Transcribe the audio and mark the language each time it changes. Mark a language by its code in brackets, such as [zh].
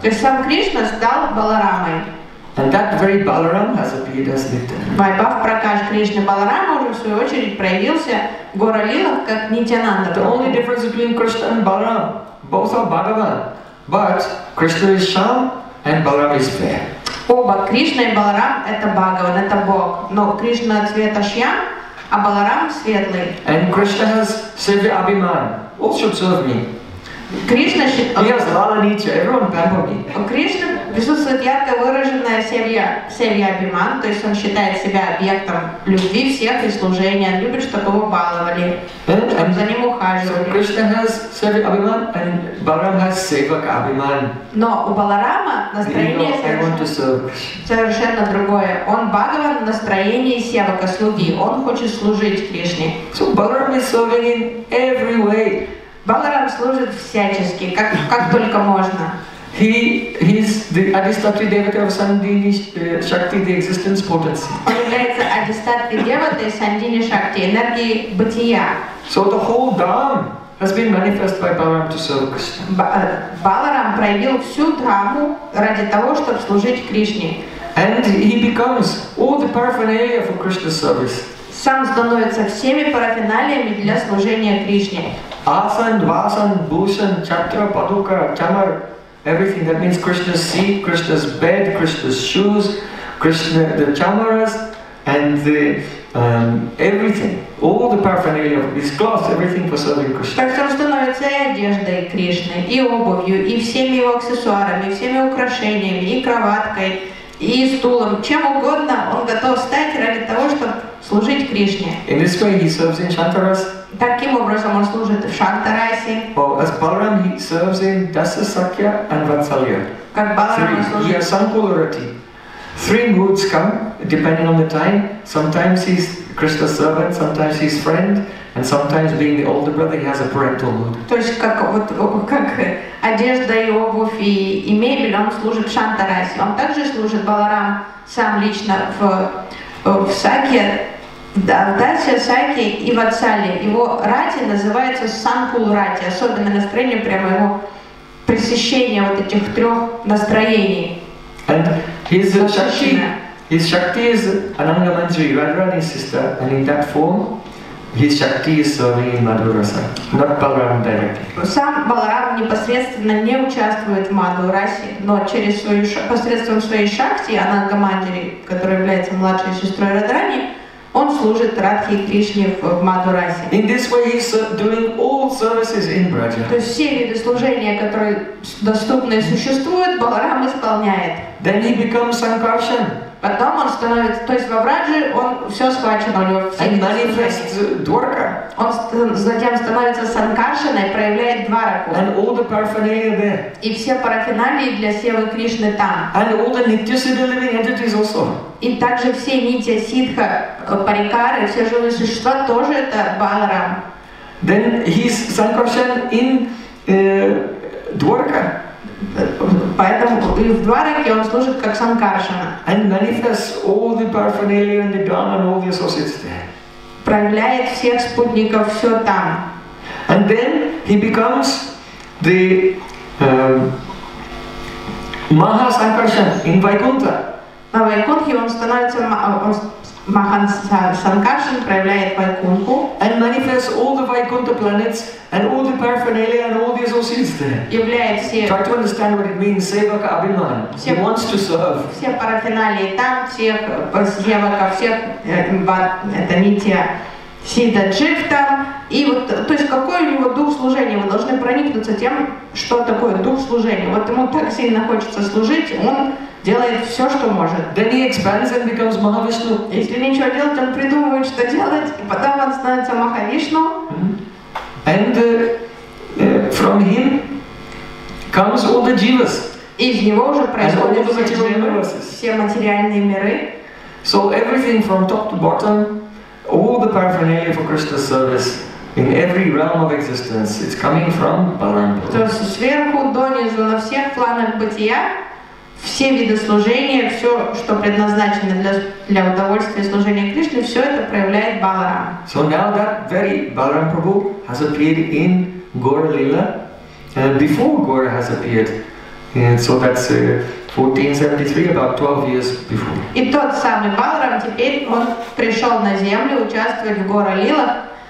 [ru] То есть сам Кришна стал Баларамой. [en] And that very Balaram has appeared as Nityananda. [ru] Vaibhav Prakash Krishna Balarama уже в свою очередь проявился в Гора Лилах как Нитянанда. [en] The only difference between Krishna and Balaram, both are Bhagavan, but Krishna is Sham and Balaram is fair. [ru] Оба Кришна и Баларам это Бхагаван, это Бог, но Кришна цвета Шьям, а Баларам светлый. [en] And Krishna has Sevya Abhiman, all should serve me. [ru] Кришна считает. У Кришны присутствует ярко выраженная севья Абиман, то есть он считает себя объектом любви всех и служения, он любит, чтобы его баловали, чтобы за ним ухаживали. [en] So Krishna has Sevya Abhiman and Balaram has Sevak Abhiman. [ru] Но у Баларама настроение совершенно другое. Он Бхагаван в настроении севака слуги. Он хочет служить Кришне. [en] So Balaram is serving in every way. [ru] Баларам служит всячески, как только можно. [en] He's the Adhistatri Devata of Sandini Shakti, the existence potency. [ru] Он является Адхистатри Девата Сандини Шакти, энергии бытия. [en] So the whole Dham has been manifested by Balaram to serve Krishna. [ru] Баларам проявил всю Дхаму ради того, чтобы служить Кришне. [en] And he becomes all the paraphernalia for Krishna's service. [ru] Сам становится всеми парафиналиями для служения Кришне. [sa] Асан, Васан, Бусан, Чатра, Падука, Чамар, everything. [en] That means Krishna's seat, Krishna's bed, Krishna's shoes, Krishna the Chamaras, and the everything. All the paraphernalia of his clothes, everything for serving Krishna. [ru] Так что он становится и одеждой Кришны, и обувью, и всеми его аксессуарами, всеми украшениями, и кроваткой, и стулом, чем угодно, он готов стать ради того, чтобы служить Кришне. [en] In this way he serves in Shantaras. [ru] Таким образом он служит в Шантарасе. [en] Well, as Balaram he serves in Dasa Sakya and Vatsalya. [ru] Как Баларам служит. [en] He has some polarity. Three moods come, depending on the time. Sometimes he's Krishna's servant, sometimes he's friend, and sometimes being the older brother, he has a parental mood. [ru] То есть как вот как одежда и обувь и мебель, он служит Шантарасе. Он также служит Баларам сам лично в Сакья, да, в Дасе Сакья и в Ватсале. Его рати называется Санкул рати, особенно настроение прямо его пресыщение вот этих трех настроений. [en] And his Shakti, is Ananga Manjari, Radharani's sister, and in that form, his Shakti is serving in Madhurasa, not Balaram directly. [ru] Сам Баларам непосредственно не участвует в Мадхурасе, но через свою посредством своей Шакти, Ананга Манджари, которая является младшей сестрой Радхарани, он служит Радхе и Кришне в Мадхурасе. [en] In this way he's doing all services in Braja. [ru] То есть все виды служения, которые доступны и существуют, Баларам исполняет. [en] Then he becomes Sankarshan. [ru] Потом он становится, то есть во Врадже он все схвачен, у него все виды служения. Дварка. Он затем становится Санкаршаной, проявляет Двараку. [en] And all the paraphernalia there. [ru] И все парафиналии для Севы Кришны там. [en] And all the Nitya Siddha living entities also. [ru] И также все Нитья Сидха, Парикары, все живые существа тоже это Баларам. [en] Then he's Sankarshan in Дварка. [ru] Поэтому в Двараке он служит как Санкаршана. [en] And manifests all the paraphernalia and the dharma and all the associates there. [ru] Проявляет всех спутников все там. [en] And then he becomes the Maha Sankarshan in Vaikuntha. [ru] На Вайкунхе он становится Махан Санкаршан, проявляет Вайкунху. [en] And manifests all the Vaikuntha planets and all the paraphernalia and all the associates there. [ru] Являет все. [en] Try to understand what it means, Sevaka Abhiman. He wants to serve. [ru] Все парафиналии там, всех Севака, всех это Нитья Сидха Джив там. И вот, то есть какой у него дух служения? Мы должны проникнуться тем, что такое дух служения. Вот ему так сильно хочется служить, он делает все, что может. [en] Then he expands and becomes Mahavishnu. [ru] Если ничего делать, он придумывает, что делать, и потом он становится Махавишну. [en] Mm-hmm. And from him comes all the jivas. [ru] Из него уже происходят все jivas, все материальные миры. [en] So everything from top to bottom, all the paraphernalia for Krishna's service. In every realm of existence, it's coming from Balaram. [ru] То есть сверху донизу на всех планах бытия, все виды служения, все, что предназначено для удовольствия служения Кришне, все это проявляет Баларам. [en] So now that very Balaram Prabhu has appeared in Gaura Lila, before Gaura has appeared, and so that's 1473, about 12 years before. [ru] И тот самый Баларам теперь он пришел на землю участвовать в Гаура Лила.